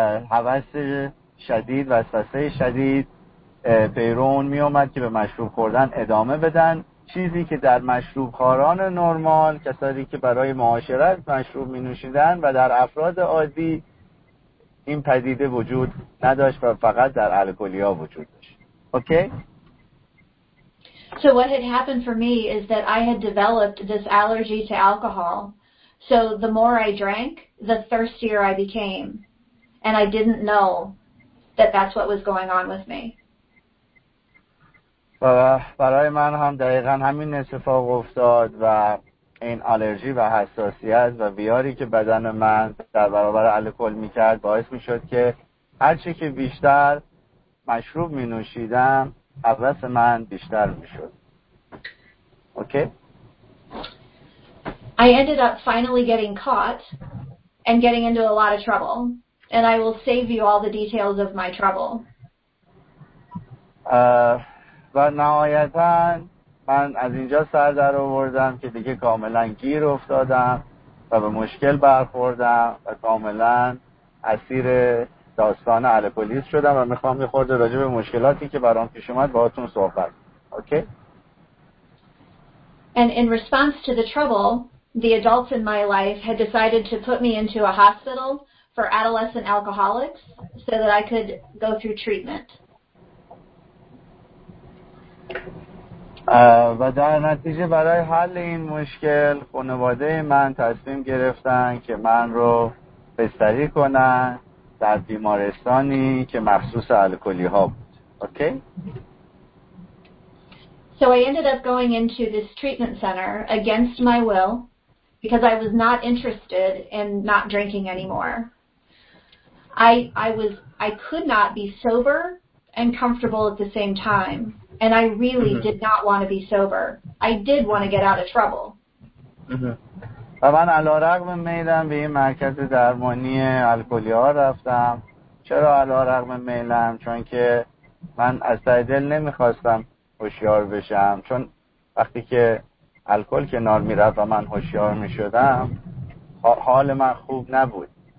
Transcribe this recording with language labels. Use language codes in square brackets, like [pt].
[fa] هوس شدید وسوسه شدید بیرون می اومد که به مشروب خوردن ادامه بدن، چیزی که در مشروب خواران نرمال کسایی که برای معاشرت مشروب می نوشیدن و در افراد عادی این پدیده وجود نداشت و فقط در الکلی ها وجود داشت. [en] Okay? So what had happened for me is that I had developed this allergy to alcohol. So the more I drank, the thirstier I became. And I didn't know that that's what was going on with me. [fa] برای من هم دقیقا همین اتفاق افتاد و این آلرژی و حساسیت و ویاری که بدن من در برابر الکل می‌کرد باعث می‌شد که هر چه که بیشتر مشروب می‌نوشیدم حواس من بیشتر میشد. [en] Okay? I ended up finally getting caught and getting into a lot of trouble. And I will save you all the details of my trouble. [fa] و نهایتا من از اینجا سر در آوردم که دیگه کاملا گیر افتادم و به مشکل برخوردم و کاملا اسیر داستان الکلیست شدم و میخوام یه خورده راجع به مشکلاتی که برام پیش اومد باهاتون صحبت. [en] Okay? And in response to the trouble, the adults in my life had decided to put me into a hospital for adolescent alcoholics so that I could go through treatment. [fa] و در نتیجه برای حل این مشکل خانواده من تصمیم گرفتن که من رو بستری کنن در بیمارستانی که مخصوص الکلی ها بود. [en] Okay? So I ended up going into this treatment center against my will because I was not interested in not drinking anymore. I could not be sober and comfortable at the same time, and I really mm-hmm. did not want to be sober. I did want to get out of trouble. Mm-hmm. [fa] من علی‌رغم میلم به این مرکز درمانی الکلی‌ها رفتم. چرا علی‌رغم میلم؟ چون که من از ته دل نمی‌خواستم هوشیار بشم. چون وقتی که الکل کنار می‌رفت و من هوشیار می‌شدم، حال من خوب نبود.